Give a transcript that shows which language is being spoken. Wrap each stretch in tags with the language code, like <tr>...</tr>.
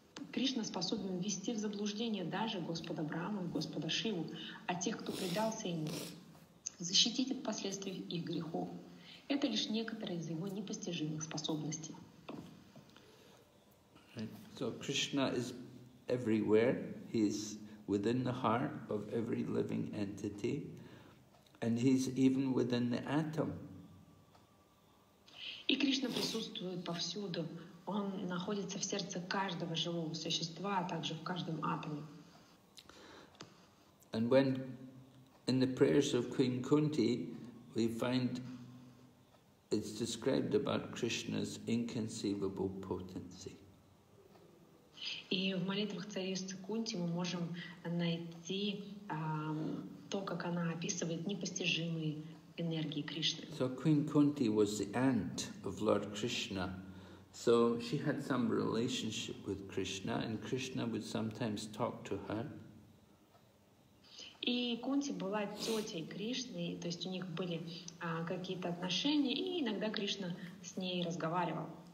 <ru>Кришна способен ввести в заблуждение даже Господа Брахму и Господа Шиву, а тех, кто предался ему, защитить от последствий их грехов. Это лишь некоторые из его непостижимых способностей.</ru> <en>So Krishna is everywhere. He is within the heart of every living entity, and he is even within the atom.</en> <ru>И Кришна присутствует повсюду. Он находится в сердце каждого живого существа, а также в каждом атоме.</ru> <en>And when in the prayers of Queen Kunti, we find it's described about Krishna's inconceivable potency.</en> <ru>И в молитвах царицы Кунти мы можем найти то, как она описывает непостижимые энергии Кришны.</ru> <en>So Queen Kunti was the aunt of Lord Krishna. So she had some relationship with Krishna, and Krishna would sometimes talk to her.</en> <ru>И Кунти была тетей Кришны, то есть у них были какие-то отношения, и иногда Кришна с ней разговаривал.</ru>